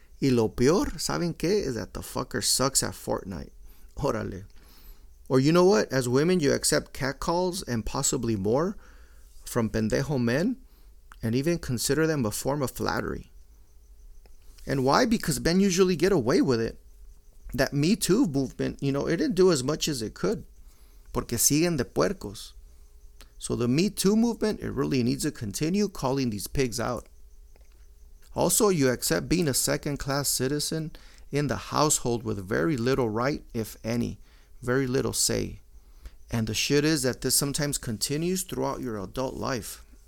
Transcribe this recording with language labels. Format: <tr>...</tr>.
<es>Y lo peor, ¿saben qué?</es> <en>Is that the fucker sucks at Fortnite. Órale. Or you know what? As women, you accept catcalls and possibly more from pendejo men and even consider them a form of flattery. And why? Because men usually get away with it. That Me Too movement, you know, it didn't do as much as it could.</en> <es>Porque siguen de puercos.</es> <en>So the Me Too movement, it really needs to continue calling these pigs out. Also, you accept being a second-class citizen in the household with very little right, if any. Very little say. And the shit is that this sometimes continues throughout your adult life.</en>